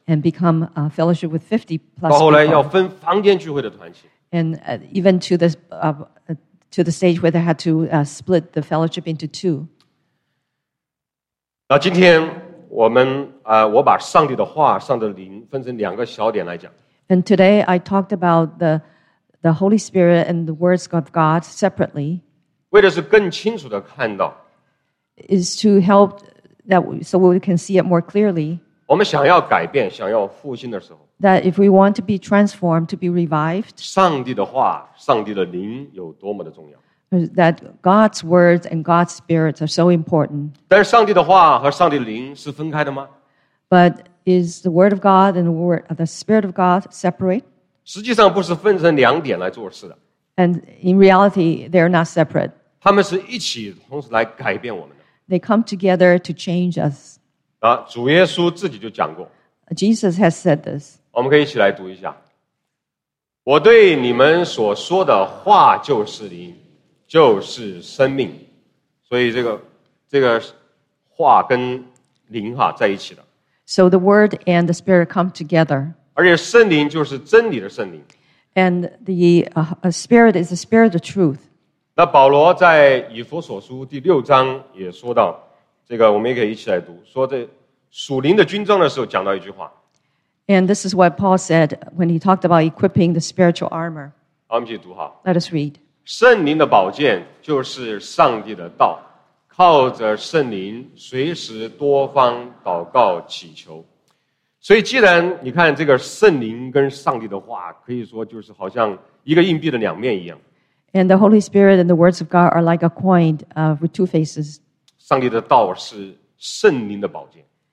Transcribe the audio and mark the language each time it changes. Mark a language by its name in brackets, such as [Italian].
[English] And become a fellowship with 50 plus people. [Chinese] 到后来要分房间聚会的团契。 [English] And even to the stage where they had to split the fellowship into two. [Chinese] 那今天我们我把上帝的话、上帝的灵分成两个小点来讲。 [English] And today I talked about the Holy Spirit and the words of God separately. [Chinese] 为的是更清楚地看到。 [English] Is to help that so we can see it more clearly. [Chinese] 我们想要改变、想要复兴的时候。 [English] That if we want to be transformed, to be revived. [Chinese] 上帝的话、上帝的灵有多么的重要。 [English] That God's words and God's spirit are so important. [Chinese] 但是上帝的话和上帝的灵是分开的吗？ [English] But is the word of God and the spirit of God separate? [Chinese] 实际上不是分成两点来做事的。 [English] And in reality, they are not separate. [Chinese] 他们是一起同时来改变我们的。 [English] They come together to change us. [Chinese] 啊，主耶稣自己就讲过。 [English] Jesus has said this. [Chinese] 我们可以一起来读一下。我对你们所说的话就是灵。就是生命，所以这个话跟灵哈在一起的。 [English] So the word and the spirit come together. [Chinese] 而且圣灵就是真理的圣灵。 [English] And the spirit is the spirit of truth. [Chinese] 那保罗在以弗所书第六章也说到，这个我们也可以一起来读，说这属灵的军装的时候讲到一句话。 [English] And this is what Paul said when he talked about equipping the spiritual armor. [Chinese] 好，我们一起读哈。 [English] Let us read. [Chinese] 圣灵的宝剑就是上帝的道，靠着圣灵随时多方祷告祈求。所以既然你看这个圣灵跟上帝的话可以说就是好像一个硬币的两面一样。 [English] And the Holy Spirit and the words of God are like a coin with two faces. [Chinese] 上帝的道是圣灵的宝剑。